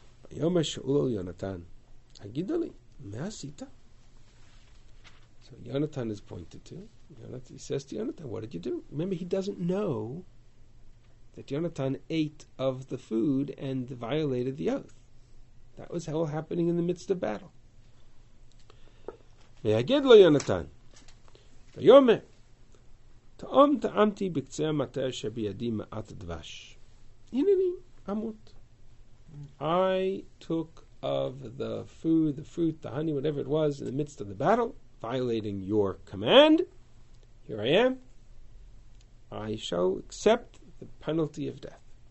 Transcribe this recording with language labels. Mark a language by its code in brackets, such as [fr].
[he] Vayomer Shaul Yonatan, Agidali, Me'asita. [en] So Yonatan is pointed to. He says to Yonatan, what did you do? Remember, he doesn't know that Yonatan ate of the food and violated the oath. That was all happening in the midst of battle. [he] ויגד לו יונתן, ויומר, תאום תאמתי בקצה המטה שבידי מעט דבש. הנה לי, עמות. [en] I took of the food, the fruit, the honey, whatever it was, in the midst of the battle, violating your command. Here I am. I shall accept the penalty of death.